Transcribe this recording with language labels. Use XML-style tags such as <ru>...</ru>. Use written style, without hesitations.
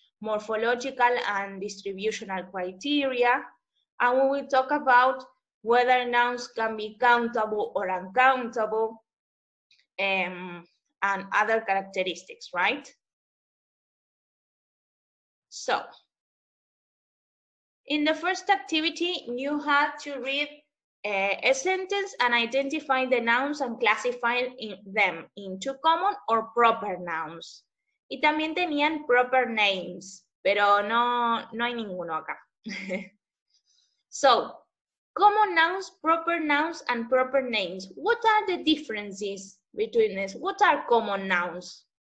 <en>morphological and distributional criteria, and we will talk about whether nouns can be countable or uncountable, and other characteristics, right? So, in the first activity, you have to read a sentence and identify the nouns and classify them into common or proper nouns.</en> <es>Y también tenían proper names, pero no hay ninguno acá.</es> <en>So, common nouns, proper nouns, and proper names. What are the differences between this? What are common nouns?</en>